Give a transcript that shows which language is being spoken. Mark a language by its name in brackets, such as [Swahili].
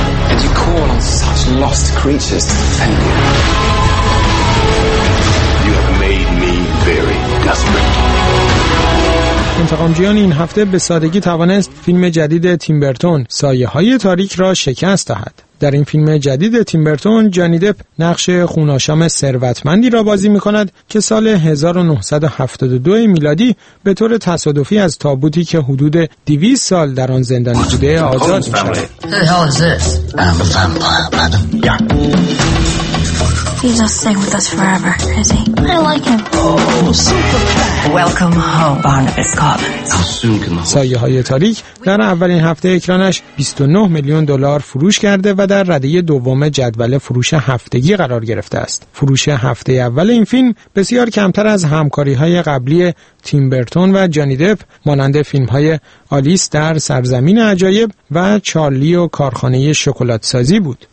[English] And you call on such lost creatures to defend you. You have made me very desperate. [Persian] انتقامجویان این هفته به سادگی توانست فیلم جدید تیمبرتون سایه های تاریک را شکست دهد. در این فیلم جدید تیمبرتون، جانی دپ نقش خوناشام ثروتمندی را بازی می کند که سال 1972 میلادی به طور تصادفی از تابوتی که حدود 200 سال در آن زندانی بوده آزاد می شود. [English] He's just staying with us forever, is he? I like him. Oh, super fat. Welcome home, Barnabas Collins. How soon can the [Persian] سایه های تاریک در اولین هفته اکرانش 29 میلیون دلار فروش کرده و در رده دوم جدول فروش هفتگی قرار گرفته است. فروش هفته اول این فیلم بسیار کمتر از همکاری های قبلی تیم برتون و جانی دپ مانند فیلم های آلیس در سرزمین عجایب و چارلی و کارخانه شکلات سازی بود.